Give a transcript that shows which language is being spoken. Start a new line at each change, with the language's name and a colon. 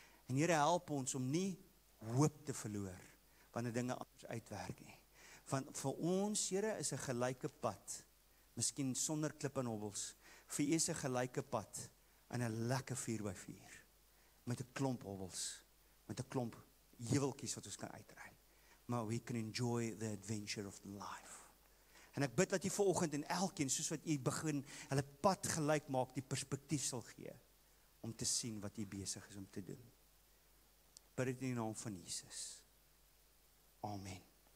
Afrikaans: En Here, help ons om nie hoop te verloor, wanneer dinge anders uitwerk nie. Want vir ons, Here, is 'n gelyke pad, miskien sonder klip en hobbels, vir u is 'n gelyke pad en 'n lekker 4x4, met 'n klomp hobbels, met 'n klomp heuweltjies wat ons kan uitry. Maar
English: we can enjoy the adventure of life.
Afrikaans: En ek bid dat jy vanoggend en elkeen, soos wat jy begin, hulle pad gelyk maak, die perspektief sal gee, om te sien wat jy besig is om te doen. Bid het in die naam van Jesus. Amen.